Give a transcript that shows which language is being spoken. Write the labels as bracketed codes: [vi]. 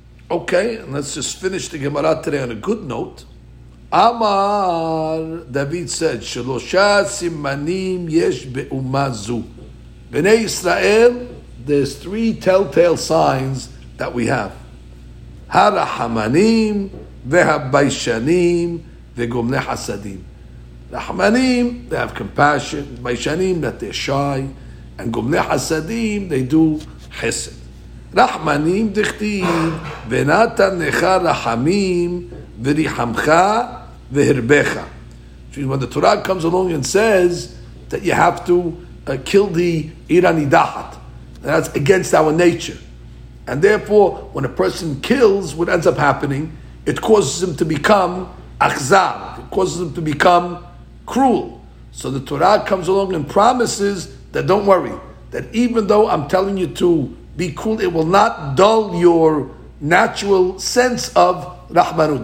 [en] Okay, let's just finish the Gemara today on a good note. [he] אמר, דוד [en] said, [he] שלושה סימנים יש באומה זו. [en] בני ישראל, there's three telltale signs that we have. [he] הרחמנים והביישנים וגומלי חסדים. [en] רחמנים, they have compassion. ביישנים, that they're shy. And גומלי חסדים, they do חסד. [he] רחמנים דכתיב, ונתן לך רחמים וריחמך והרבך. [en] When the Torah comes along and says that you have to kill the עיר הנידחת, that's against our nature. And therefore, when a person kills, what ends up happening, it causes him to become achzar. It causes him to become cruel. So the Torah comes along and promises that don't worry, that even though I'm telling you to be cruel, it will not dull your natural sense of rahmanut.